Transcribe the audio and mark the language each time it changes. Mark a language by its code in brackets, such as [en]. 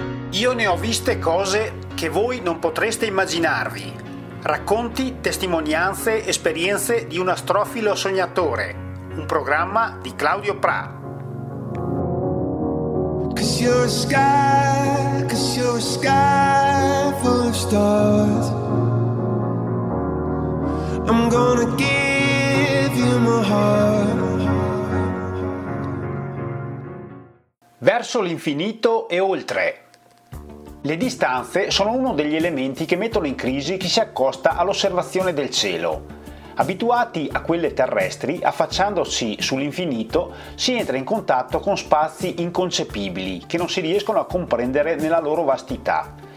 [it] Io ne ho viste cose che voi non potreste immaginarvi. Racconti, testimonianze, esperienze di un astrofilo sognatore. Un programma di Claudio Pra. [en] Cause you're a sky, cause you're a sky full of stars. I'm gonna give you my heart. [it] Verso l'infinito e oltre. Le distanze sono uno degli elementi che mettono in crisi chi si accosta all'osservazione del cielo. Abituati a quelle terrestri, affacciandosi sull'infinito, si entra in contatto con spazi inconcepibili che non si riescono a comprendere nella loro vastità.